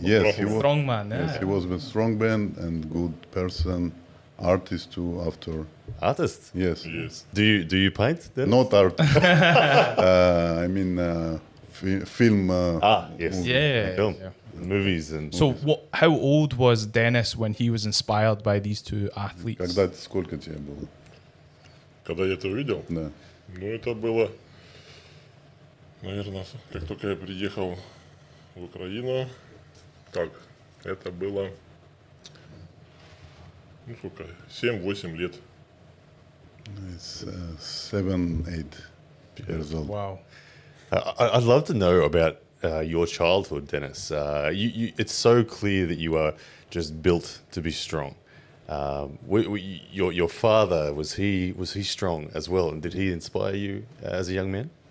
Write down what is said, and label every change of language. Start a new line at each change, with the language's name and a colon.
English: Yes, he was a strongman and good person, artist too. After artist, yes. Do you paint? Dennis? Not art. film. Movies and so. How old was Denis when he was inspired by these two athletes?
Russian: Когда сколько тебе было? Когда я это увидел? Да. Ну, это было, наверное, как только я приехал в Украину. Так, это было, ну, сколько, 7-8 лет.
English: It's 7-8 years old. Wow. I'd love to know about your childhood, Denis. It's so clear that you are just built to be strong. Your father, was he strong as well, and did he inspire you as a young man?